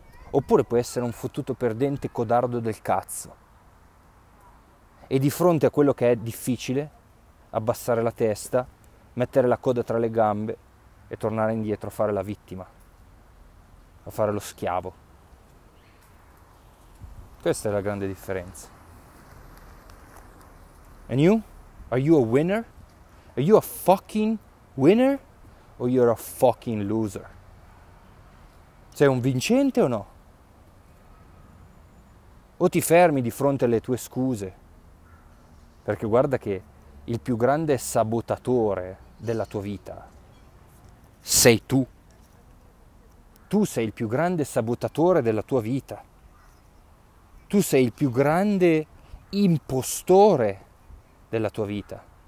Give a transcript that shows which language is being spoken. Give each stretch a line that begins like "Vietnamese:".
Italian: Oppure puoi essere un fottuto perdente codardo del cazzo e di fronte a quello che è difficile abbassare la testa, mettere la coda tra le gambe e tornare indietro a fare la vittima, a fare lo schiavo. Questa è la grande differenza.
English: And you? Are you a winner? Are you a fucking winner? Or you're a fucking loser?
Italian: Sei un vincente o no? O ti fermi di fronte alle tue scuse? Perché guarda che il più grande sabotatore della tua vita sei tu. Tu sei il più grande sabotatore della tua vita. Tu sei il più grande impostore della tua vita.